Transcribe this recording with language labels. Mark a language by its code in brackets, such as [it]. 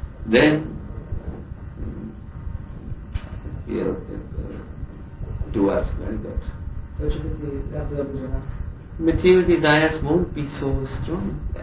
[en] then we'll do us very good. [hr] To će biti jako dobro za nas. [en] Material desires won't be so strong.